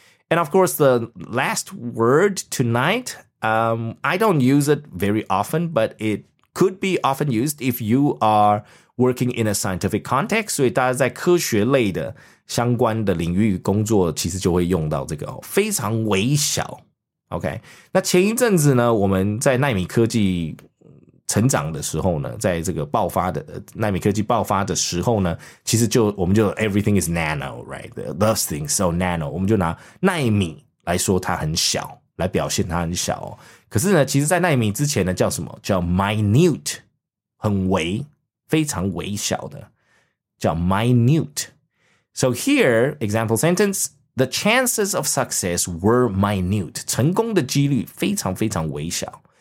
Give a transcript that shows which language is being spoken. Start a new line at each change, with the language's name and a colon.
English: And of course, the last word tonight, I don't use it very often, but it could be often used if you are working in a scientific context.
Chinese: 所以大家在科学类的相关的领域工作其实就会用到这个哦。非常微小。Okay, 那前一阵子呢，我们在奈米科技成长的时候呢，在这个爆发的纳米科技爆发的时候呢，其实就我们就
English: everything is nano, right? Those things so nano.
Chinese: 我们就拿纳米来说它很小，来表现它很小、哦。可是呢，其实，在纳米之前呢，叫什么？叫 minute, 很微，非常微小的，叫 minute.
English: So here, example sentence: the chances of success were minute.
Chinese: 成功的几率非常非常微小。